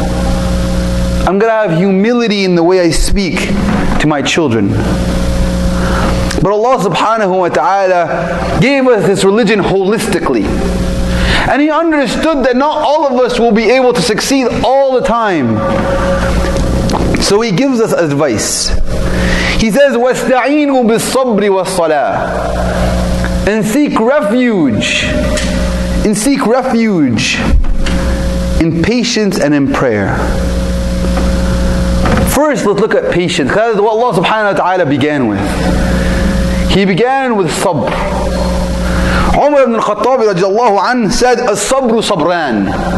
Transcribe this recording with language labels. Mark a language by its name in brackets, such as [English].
[English] I'm going to have humility in the way I speak to my children. But Allah subhanahu wa ta'ala gave us this religion holistically. And He understood that not all of us will be able to succeed all the time. So He gives us advice. [Arabic] He says, وَاسْتَعِينُوا بِالصَّبْرِ وَالصَّلَاةِ. [English] And seek refuge. And seek refuge in patience and in prayer. First, let's look at patience. Because that is what Allah subhanahu wa ta'ala began with. He began with sabr. Umar ibn al-Khattab radiallahu anhu said, [Arabic] As-sabru sabran.